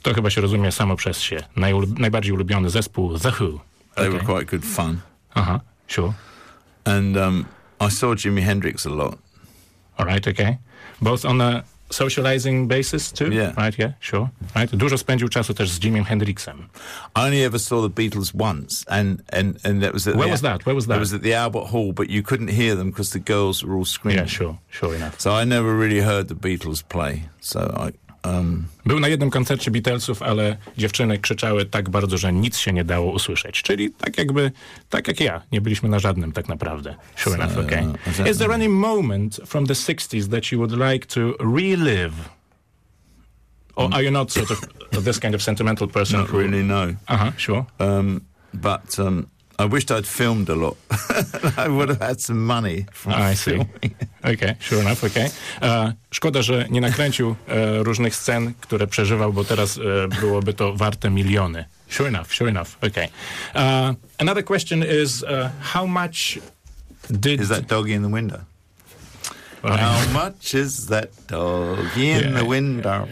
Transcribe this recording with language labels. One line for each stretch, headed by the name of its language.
Polish: To chyba się rozumie samo przez się. Najbardziej ulubiony zespół The Who.
English: Okay. They were quite good fun. Aha, sure. And I saw Jimi Hendrix a lot. All right, okay. Both on a socializing basis too? Yeah. Right, yeah, sure. Right.
Polish: Dużo spędził czasu też z Jimi Hendrixem.
English: I only ever saw the Beatles once, and that was at Where was that? Where was that? It was at the Albert Hall, but you couldn't hear them because the girls were all screaming. Yeah, sure enough. So I never really heard the Beatles play, so I...
Polish: Był na jednym koncercie Beatlesów, ale dziewczyny krzyczały tak bardzo, że nic się nie dało usłyszeć. Czyli tak jakby, tak jak ja, nie byliśmy na żadnym tak naprawdę.
English: Sure enough, okay. Is there any moment from the 60s that you would like to relive? Or are you not sort of this kind of sentimental person? Not really, no. Uh-huh, sure. But I wished I'd filmed a lot. I would have had some money from filming. I see. Okay, sure enough, okay.
Polish: Szkoda, że nie nakręcił różnych scen, które przeżywał, bo teraz byłoby to warte miliony.
English: Sure enough, okay. Another question is, how much did... Is that doggy in the window? Right. How much is that doggy in the window?